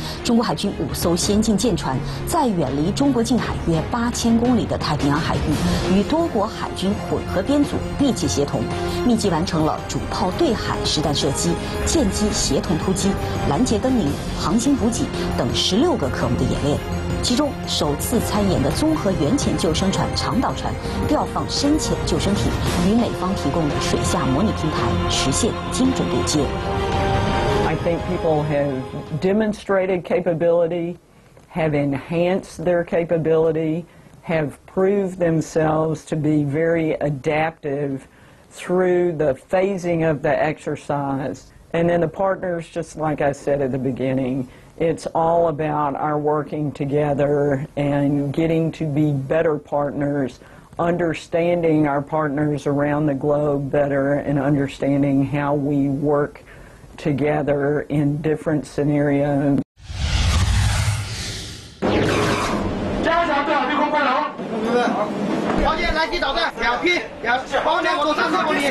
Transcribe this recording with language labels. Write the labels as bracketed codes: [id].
[zh] 中国海军五艘先进舰船在远离中国近海约8000公里的太平洋海域，与多国海军混合编组密切协同，密集完成了主炮对海实弹射击、舰机协同突击、拦截登陵、航行补给等16个科目的演练。其中首次参演的综合远潜救生船长岛船调放深潜救生艇，与美方提供的水下模拟平台实现精准对接。 [en] I think people have demonstrated capability, have enhanced their capability, have proved themselves to be very adaptive through the phasing of the exercise. And then the partners, just like I said at the beginning,It's all about our working together and getting to be better partners, understanding our partners around the globe better, and understanding how we work together in different scenarios. [zh] 加强对海对空观察，对，好，拦截导弹2批，包舰总3000公里，